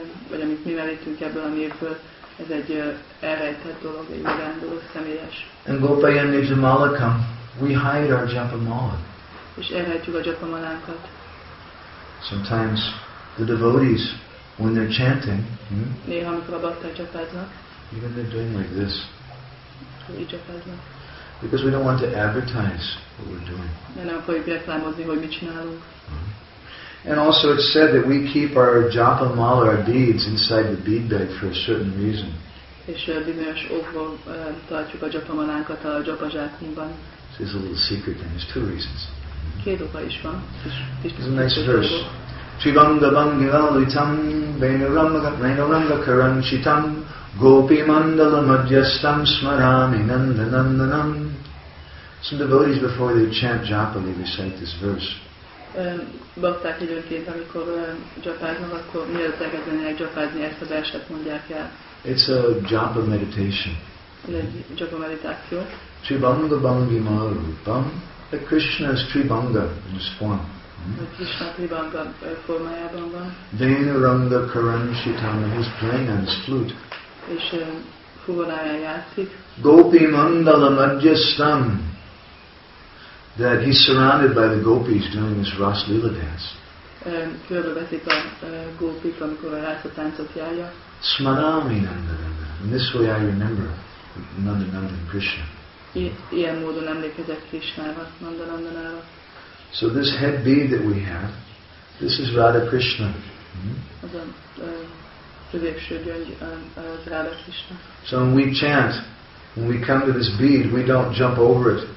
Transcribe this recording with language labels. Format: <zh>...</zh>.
<hu>Vagy amit mi merítünk ebből a névből, ez egy elrejtett dolog, egy magán dolog, személyes.</hu> <en>And</en> <sa>Gopayan Nijamalakam,</sa> <en>we hide our Japamala.</en> <hu>És elrejtjük a Japamalánkat.</hu> <en>Sometimes the devotees, when they're chanting,</en> <hu>néha, amikor a bakták csapáznak,</hu> <en>even they're doing like this.</en> <hu>Így csapáznak.</hu> <en>Because we don't want to advertise what we're doing.</en> <hu>De nem akarjuk reklámozni, hogy mit csinálunk.</hu> <en>And also it's said that we keep our japa mala, our beads, inside the bead bag for a certain reason.</en> <hu>És bizonyos okból tartjuk a japa malánkat a japa zsákunkban.</hu> <en>This is a little secret thing. There's two reasons.</en> <hu>Két oka is van.</hu> <en>It's a nice verse.</en> <sa>Shivanga Bangalitam Venuramga Karan Shitam Gopi Mandala Madhyastam Smarami Nandanandanam.</sa> <en>Some devotees before they chant japa, they recite this verse.</en> <hu>Bakták időnként, amikor japáznak, akkor mielőtt elkezdenek japázni, ezt a verset mondják el.</hu> <en>It's a japa meditation.</en> <hu>Japa meditáció.</hu> <sa>Tribanga Bangima Rupam.</sa> <en>A Krishna is Tribanga in his form.</en> <hu>Krishna Tribanga formájában van.</hu> <sa>Venuranga Karanshitam,</sa> <en>he's playing on his flute.</en> <hu>És fuvaláján játszik.</hu> <sa>Gopi Mandala Madhyastham.</sa> <en>That he's surrounded by the gopis doing this Rasa Lila dance.</en> <hu>Körbevetik a gópik, amikor a rasa táncot járja.</hu> <sa>Smarami Nandana.</sa> <en>In this way I remember Nandanandan Krishna.</en> <hu>Ilyen módon emlékezek Krishnára, Nandanandanára.</hu> <en>So this head bead that we have, this is Radha Krishna.</en> <hu>Az a középső gyöngy, az Radha Krishna.</hu> <en>So when we chant, when we come to this bead, we don't jump over it.</en>